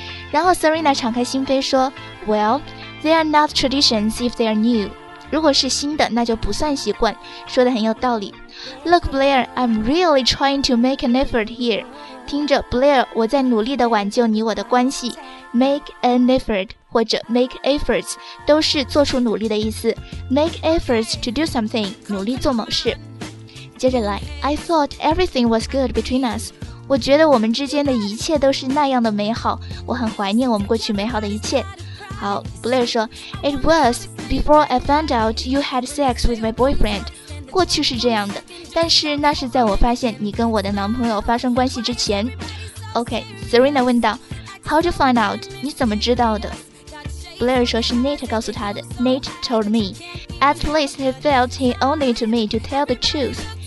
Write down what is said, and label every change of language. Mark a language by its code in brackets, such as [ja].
[zh] 然后 Serena 敞开心扉说 [en] Well, they are not traditions if they are new. [zh] 如果是新的那就不算习惯，说得很有道理。 [en] Look Blair, I'm really trying to make an effort here. [zh] 听着 Blair, 我在努力地挽救你我的关系。 [en] Make an effort [zh] 或者 [en] make efforts [zh] 都是做出努力的意思。 [en] Make efforts to do something, [zh] 努力做某事。接着来， [en] I thought everything was good between us. [zh] 我觉得我们之间的一切都是那样的美好，我很怀念我们过去美好的一切。好， Blair 说， [en] It was before I found out you had sex with my boyfriend. [zh] 过去是这样的，但是那是在我发现你跟我的男朋友发生关系之前。 [en] OK, Serena [zh] 问道， [en] How to find out? [zh] 你怎么知道的？ [en] Blair [zh] 说是 Nate 告诉他的。 [en] Nate told me. At least he felt he owed it to me to tell the truth.